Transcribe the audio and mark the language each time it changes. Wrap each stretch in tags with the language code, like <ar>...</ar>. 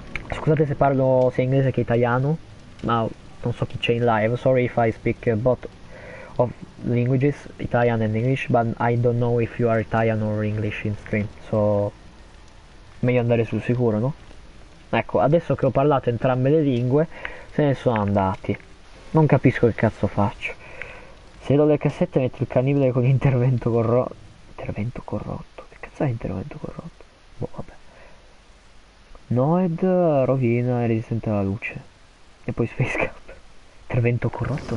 <it>Scusate se parlo sia inglese che italiano, ma non so chi c'è in live.</it> <en>Sorry if I speak both of languages, Italian and English, but I don't know if you are Italian or English in stream, so</en> <it>meglio andare sul sicuro, no? Ecco, adesso che ho parlato entrambe le lingue, se ne sono andati. Non capisco che cazzo faccio. Se do le cassette, metto il cannibale con intervento corrotto. Intervento corrotto? Che cazzo è intervento corrotto? Boh, vabbè. Noed rovina e resistente alla luce. E poi sfisca. Intervento corrotto?</it>